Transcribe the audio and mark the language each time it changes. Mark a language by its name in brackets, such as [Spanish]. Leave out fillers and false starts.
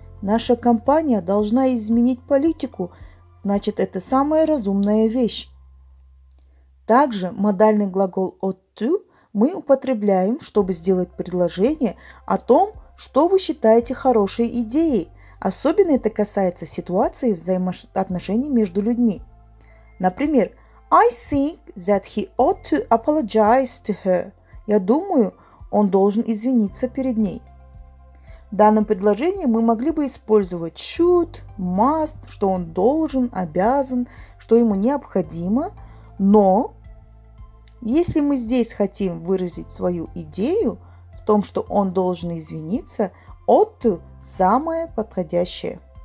[Russian] Наша компания должна изменить политику, значит, это самая разумная вещь. Также модальный глагол ought to мы употребляем, чтобы сделать предложение о том, что вы считаете хорошей идеей. Особенно это касается ситуации взаимоотношений между людьми. Например, [English] I think that he ought to apologize to her. [Russian] Я думаю, он должен извиниться перед ней. В данном предложении мы могли бы использовать should, must, что он должен, обязан, что ему необходимо. Но если мы здесь хотим выразить свою идею в том, что он должен извиниться, ought to – самое подходящее.